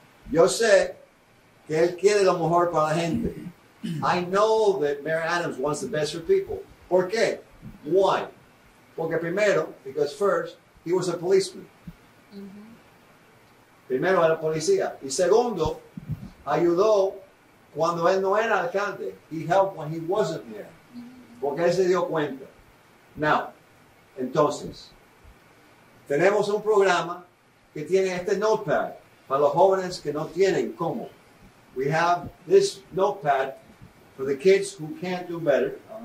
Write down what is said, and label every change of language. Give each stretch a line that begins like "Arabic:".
Spanish: Yo sé que él quiere lo mejor para la gente.
English: I know that Mayor Adams wants the best for people.
Spanish: ¿Por qué?
English: Why?
Spanish: Porque primero,
English: because first, he was a policeman.
Spanish: Mm-hmm. Primero era policía. Y segundo, ayudó cuando él no era alcalde.
English: He helped when he wasn't mayor.
Spanish: Porque él se dio cuenta. Now, entonces, tenemos un programa que tiene este notepad para los jóvenes que no tienen cómo.
English: We have this notepad for the kids who can't do better.